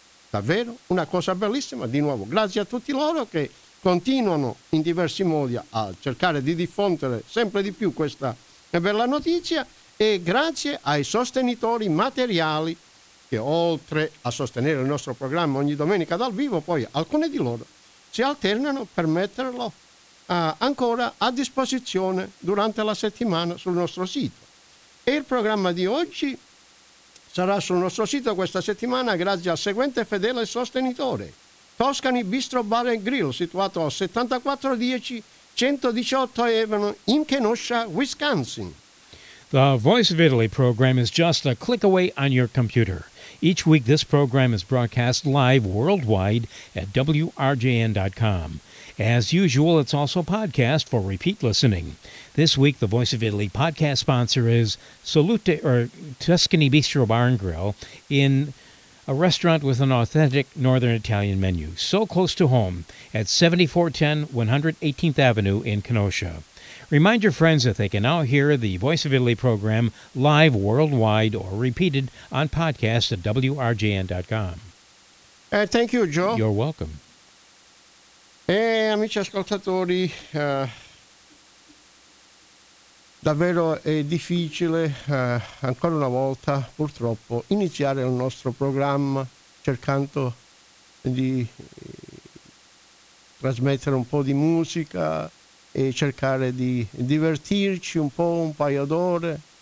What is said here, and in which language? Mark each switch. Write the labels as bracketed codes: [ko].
[it] Davvero una cosa bellissima, di nuovo grazie a tutti loro che continuano in diversi modi a cercare di diffondere sempre di più questa bella notizia e grazie ai sostenitori materiali che oltre a sostenere il nostro programma ogni domenica dal vivo, poi alcuni di loro si alternano per metterlo ancora a disposizione durante la settimana sul nostro sito. E il programma di oggi sarà sul nostro sito questa settimana grazie al seguente fedele sostenitore: Toscani Bistro Bar & Grill, situato al 7410 118 Avenue in Kenosha, Wisconsin. [en] The Voice of Italy program is just a click away on your computer. Each week this program is broadcast live worldwide at WRJN.com. As usual, it's also podcast for repeat listening. This week, the Voice of Italy podcast sponsor is Salute or Tuscany Bistro Bar and Grill in a restaurant with an authentic Northern Italian menu, so close to home at 7410 118th Avenue in Kenosha. Remind your friends that they can now hear the Voice of Italy program live worldwide or repeated on podcast at WRJN.com. Thank you, Joe. You're welcome. [it] Amici ascoltatori, davvero è difficile, ancora una volta, purtroppo, iniziare il nostro programma cercando di trasmettere un po' di musica e cercare di divertirci un po', un paio d'ore.